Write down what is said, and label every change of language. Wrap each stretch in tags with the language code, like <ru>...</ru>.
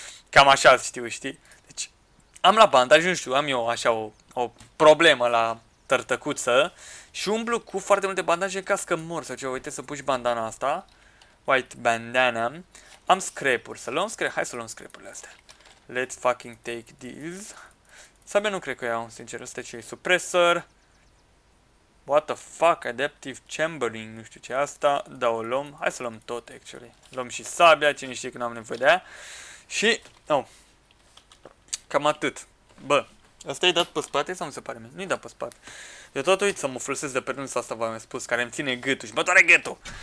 <ro>Cam așa știu, știi? Deci, am la bandaj, nu știu, am eu așa o problemă la tărtăcuță. Și umblu cu foarte multe bandaje în caz că mor sau ce. Uite să pui bandana asta.</ro> <en>White bandana.</en> <ro>Am scrap-uri. Să luăm scrap. Hai să luăm scrap-urile astea.</ro> <en>Let's fucking take these.</en> <ro>Sabia nu cred că iau, sincer, ăsta ce e supresor.</ro> <en>What the fuck,</en> <ro>adaptive chambering, nu știu ce e asta, dar o luăm, hai să luăm tot,</ro> <en>actually.</en> <ro>Luăm și sabia, cine știe că n-am nevoie de aia. Și, oh, cam atât. Bă, ăsta e dat pe spate sau nu se pare mie? Nu-i dat pe spate. Eu tot uit să mă folosesc de pernunța asta, v-am spus, care îmi ține gâtul și mă doare gâtul.</ro>